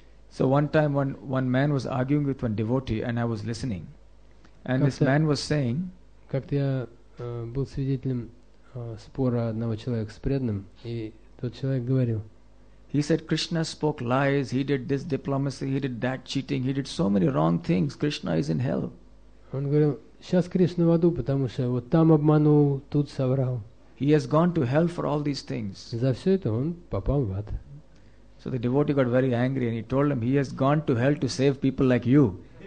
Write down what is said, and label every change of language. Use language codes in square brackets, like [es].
[en] So one time one man was arguing with one devotee and I was listening. And this man was saying, [ru] как-то я был свидетелем спора одного человека с преданным, и тот человек говорил, [en] he said Krishna spoke lies, he did this diplomacy, he did that cheating, he did so many wrong things, Krishna is in hell. [ru] Он говорил, сейчас Кришна в аду, потому что вот там обманул, тут соврал. [en] He has gone to hell for all these things. [ru] За все это он попал в ад. [en] So the devotee got very angry and he told him, he has gone to hell to save people like you.